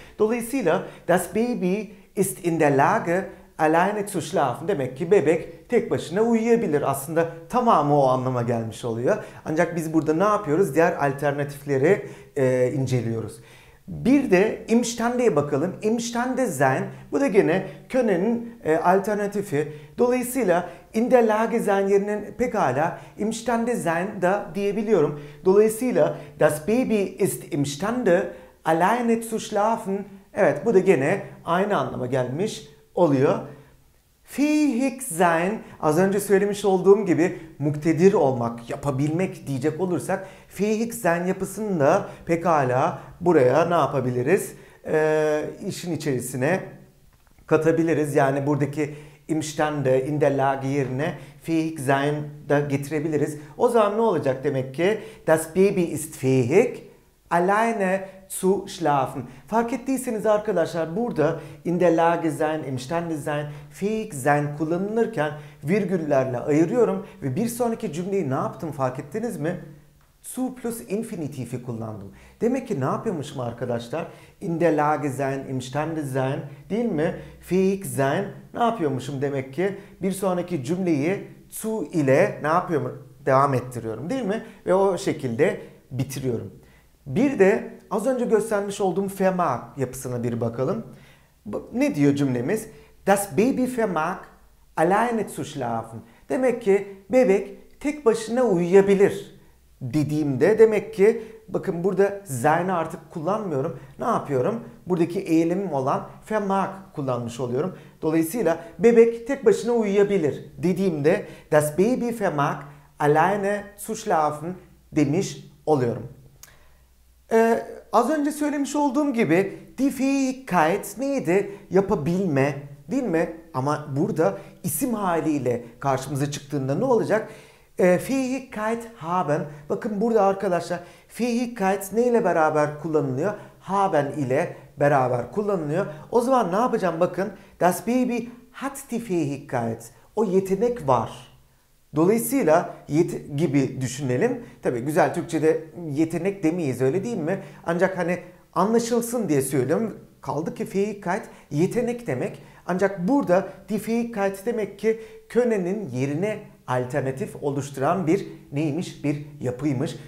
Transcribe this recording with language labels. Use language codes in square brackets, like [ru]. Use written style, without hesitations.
[tr] Dolayısıyla [de] das Baby ist in der Lage alleine zu schlafen. [tr] Demek ki bebek tek başına uyuyabilir. Aslında tamamı o anlama gelmiş oluyor. Ancak biz burada ne yapıyoruz? Diğer alternatifleri inceliyoruz. Bir de imstande'ye bakalım. Imstande sein, bu da gene können'in alternatifi. Dolayısıyla [de] in der Lage sein [tr] yerine pekala [de] imstande sein [tr] da diyebiliyorum. Dolayısıyla [de] das Baby ist imstande alleine zu schlafen. [tr] Evet, bu da gene aynı anlama gelmiş oluyor. Fähig sein, az önce söylemiş olduğum gibi muktedir olmak, yapabilmek diyecek olursak fähig sein yapısını da pekala buraya ne yapabiliriz? İşin içerisine katabiliriz. Yani buradaki imstande, in der Lage yerine fähig sein da getirebiliriz. O zaman ne olacak demek ki? [de] Das Baby ist fähig alleine zu schlafen. [tr] Fark ettiyseniz arkadaşlar burada in der Lage sein, imstande sein, fähig sein kullanılırken virgüllerle ayırıyorum ve bir sonraki cümleyi ne yaptım fark ettiniz mi? Zu plus infinitifi kullandım. Demek ki ne yapıyormuşum arkadaşlar? [de] In der Lage sein, imstande sein, [tr] değil mi? [de] Fähig sein, [tr] ne yapıyormuşum demek ki? Bir sonraki cümleyi zu ile ne yapıyorum? Devam ettiriyorum, değil mi? Ve o şekilde bitiriyorum. Bir de az önce göstermiş olduğum vermag yapısına bir bakalım. Ne diyor cümlemiz? [de] Das Baby vermag alleine zu schlafen. [tr] Demek ki bebek tek başına uyuyabilir dediğimde demek ki bakın burada sein'i artık kullanmıyorum. Ne yapıyorum? Buradaki eylemim olan vermag kullanmış oluyorum. Dolayısıyla bebek tek başına uyuyabilir dediğimde [de] das Baby vermag alleine zu schlafen [tr] demiş oluyorum. Az önce söylemiş olduğum gibi die Fähigkeit neydi? Yapabilme, değil mi? Ama burada isim haliyle karşımıza çıktığında ne olacak? Fähigkeit haben. Bakın burada arkadaşlar Fähigkeit neyle beraber kullanılıyor? Haben ile beraber kullanılıyor. O zaman ne yapacağım? Bakın [de] das Baby hat die Fähigkeit. [tr] O yetenek var. Dolayısıyla gibi düşünelim. Tabii güzel Türkçe'de yetenek demeyiz öyle değil mi? Ancak hani anlaşılsın diye söylüyorum. Kaldı ki Fähigkeit yetenek demek. Ancak burada die Fähigkeit demek ki können'in yerine alternatif oluşturan bir neymiş? Bir yapıymış.